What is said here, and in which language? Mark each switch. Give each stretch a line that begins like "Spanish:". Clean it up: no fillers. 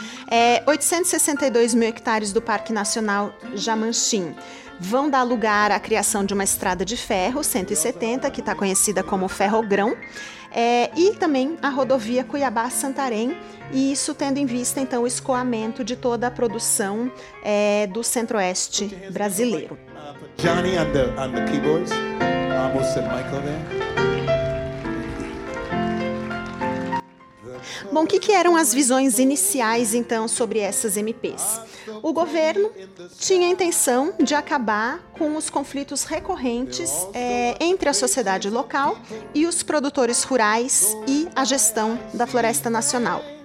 Portuguese: É, 862 mil hectares do Parque Nacional Jamanchim vão dar lugar à criação de uma estrada de ferro, 170, que está conhecida como Ferrogrão, e também a rodovia Cuiabá-Santarém, e isso tendo em vista então o escoamento de toda a produção do centro-oeste brasileiro.
English: Johnny on the keyboards, almost said Michael there.
Portuguese: Bom, o que eram as visões iniciais, então, sobre essas MPs? O governo tinha a intenção de acabar com os conflitos recorrentes entre a sociedade local e os produtores rurais e a gestão da Floresta Nacional.